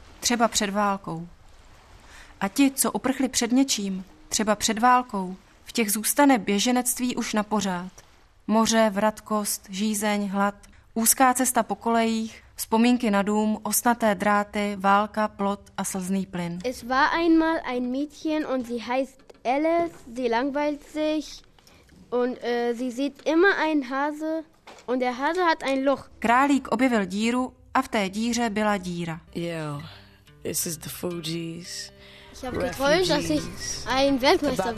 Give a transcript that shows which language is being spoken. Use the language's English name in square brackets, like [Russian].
[Czech] Třeba před válkou. A ti, co uprchli před něčím, třeba před válkou, v těch zůstane běženectví už na pořád. Moře, vratkost, žízeň, hlad, úzká cesta po kolejích, vzpomínky na dům, osnaté dráty, válka, plot a slzný plyn. [German] Es war einmal ein Mädchen und sie heißt Alice, sie langweilt sich und sie sieht immer ein Hase und der Hase hat ein Loch. [Czech] Králík objevil díru a v té díře byla díra. [English] Yo, this is the Fugees. [German] Ich habe geträumt, dass ich ein Weltmeister bin.